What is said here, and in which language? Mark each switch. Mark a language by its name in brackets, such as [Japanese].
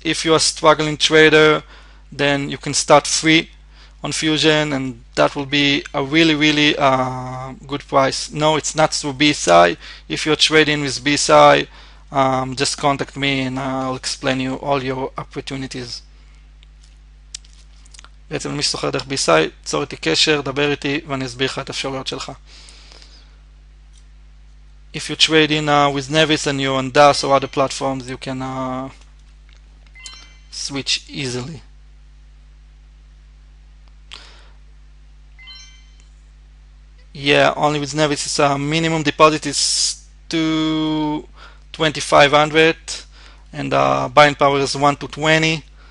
[English] If you are a struggling trader, then you can start free on Fusion, and that will be a really, really good price. No, it's not through BSI. If you're trading with BSI, just contact me and I'll explain you all your opportunities. [Hebrew] בעצם מי שסוחר דרך BSI, צור איתי קשר, דבר איתי, ואני אסביר לך את האפשרויות שלך. [English] If you trade in with Nevis and you're on DAS or other platforms, you can switch easily. Yeah, only with Nevis, it's a minimum deposit is $2,500, and buying power is 1 to 20.